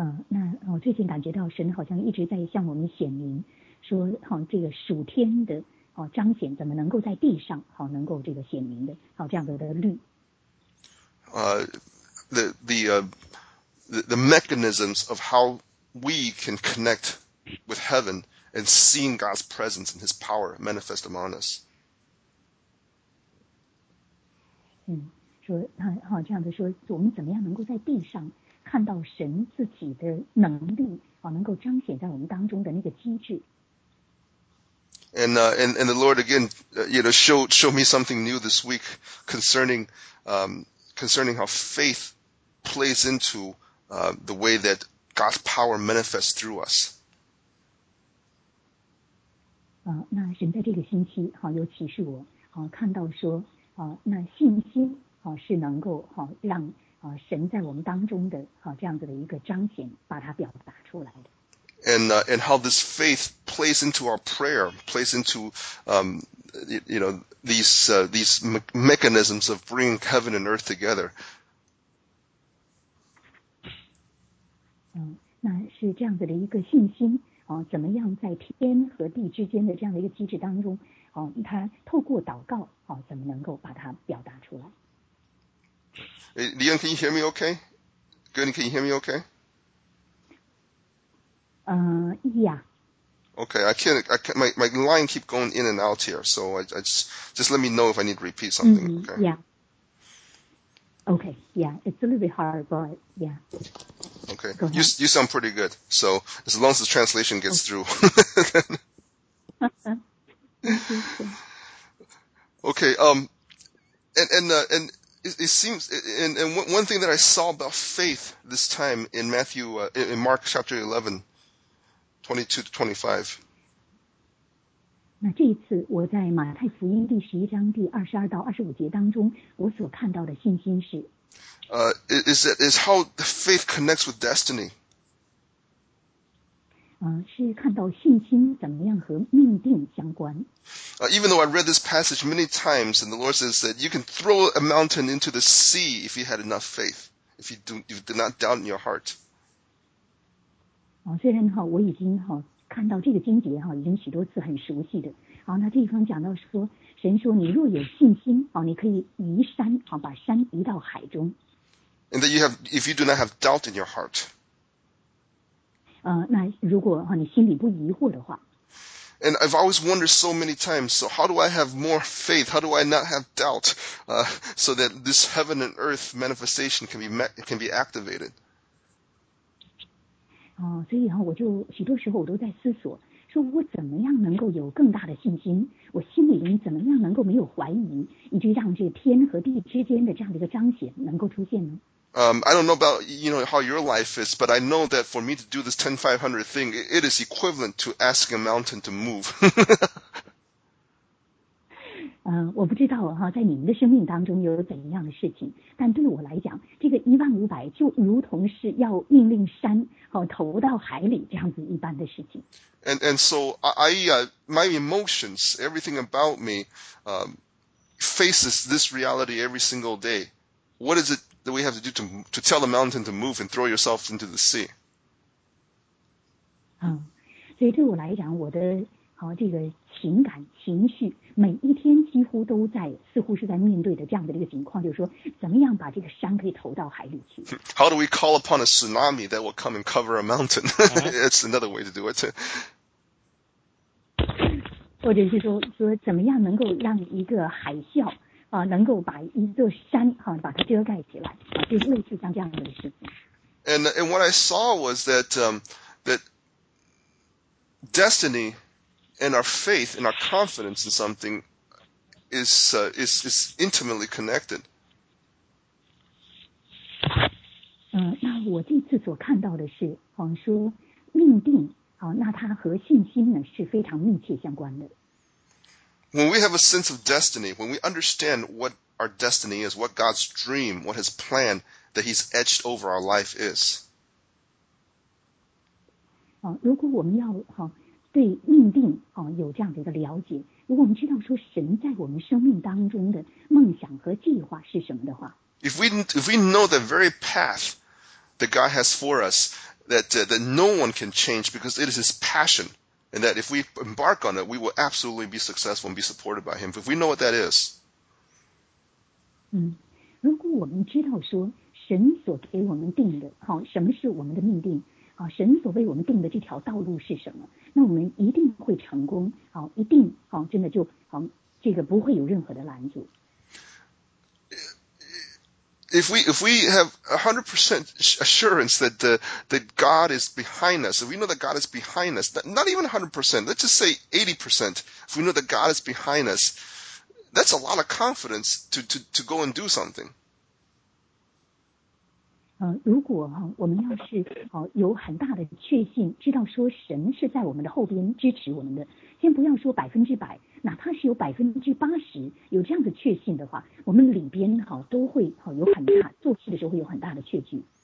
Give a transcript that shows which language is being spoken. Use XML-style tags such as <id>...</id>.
<en>The mechanisms of how we can connect with heaven and seeing God's presence and His power manifest among us.</en> <zh>这样子说，我们怎么样能够在地上看到神自己的能力，能够彰显在我们当中的那个机制。</zh> <en>And the Lord again, you know, show me something new this week concerning how faith plays into the way that God's power manifests through us.</en> <zh>那神在这个星期有启示我，看到说那信心是能够让神在我们当中的这样子的一个彰显，把它表达出来的。</zh> <en>And how this faith plays into our prayer, plays into these mechanisms of bringing heaven and earth together.</en> <zh>那是这样子的一个信心怎么样在天和地之间的这样的一个机制当中它透过祷告怎么能够把它表达出来。</zh> <en>Leon, can you hear me okay? Gurney, can you hear me okay? Yeah. Okay, my line keep going in and out here, so I just let me know if I need to repeat something, okay? Yeah. Okay, yeah, it's a little bit hard, but yeah. Okay, you sound pretty good, so as long as the translation gets through. Okay, It seems, and one thing that I saw about faith this time in Matthew, in Mark chapter 11, 22-25.</en> <zh>那这一次我在马太福音第十一章第二十二到二十五节当中，我所看到的信心是。</zh> <en>Is how the faith connects with destiny.</en> <zh>是看到信心怎么样和命定相关。</zh> <en>Even though I read this passage many times, and the Lord says that you can throw a mountain into the sea if you had enough faith, if you did not doubt in your heart.</en> <zh>虽然我已经看到这个经节已经许多次很熟悉的。那这地方讲到说，神说你若有信心，你可以移山，把山移到海中。</zh> <en>And that you have, if you do not have doubt in your heart.</en> <zh>那如果你心里不疑惑的话。</zh> <en>And I've always wondered so many times, so how do I have more faith? How do I not have doubt? So that this heaven and earth manifestation can be activated.</en> <zh>所以我就许多时候我都在思索，说我怎么样能够有更大的信心，我心里面怎么样能够没有怀疑，以及让这天和地之间的这样的一个彰显能够出现呢？</zh> <en>I don't know about, you know, how your life is, but I know that for me to do this 10-500 thing, it is equivalent to asking a mountain to move.</en> <zh>我不知道在你们的生命当中有怎样的事情，但对我来讲，这个1500就如同是要命令山投到海里这样子一般的事情。</zh> <en>And so my emotions, everything about me, faces this reality every single day. What is it? That we have to do to tell the mountain to move and throw yourself into the sea.</en> <zh>所以对我来讲，我的这个情感情绪，每一天几乎都在，似乎是在面对的这样的一个情况，就是说，怎么样把这个山可以投到海里去</zh> <en>？How do we call upon a tsunami that will come and cover a mountain? It's another way to do it.</en> <zh>或者是说怎么样能够让一个海啸？能够把一座山把它遮盖起来就是类似像这样的事情。</zh> <en>And what I saw was that, that destiny and our faith and our confidence in something is intimately connected.</en> <zh>那我这次所看到的是说命定那它和信心呢是非常密切相关的。</zh> <en>When we have a sense of destiny, when we understand what our destiny is, what God's dream, what His plan that He's etched over our life is.</en> <zh>如果我们要对命定有这样的一个了解，如果我们知道说神在我们生命当中的梦想和计划是什么的话，</zh> <en>if we know the very path that God has for us, that no one can change because it is His passion. And that if we embark on it, we will absolutely be successful and be supported by Him. If we know what that is.</en> <zh>如果我们知道说神所给我们定的，什么是我们的命定，神所为我们定的这条道路是什么，那我们一定会成功，好，一定，好，真的就好，这个不会有任何的拦阻。</zh> <en>If we have 100% assurance that that God is behind us, if we know that God is behind us, not even 100%, let's just say 80%, if we know that God is behind us, that's a lot of confidence to go and do something.</en> <zh>如果我们要是有很大的确信，知道说神是在我们的后边支持我们的，先不要说百分之百，哪怕是有80%有这样的确信的话，我们里边都会有很大，做事的时候会有很大的确据。</zh>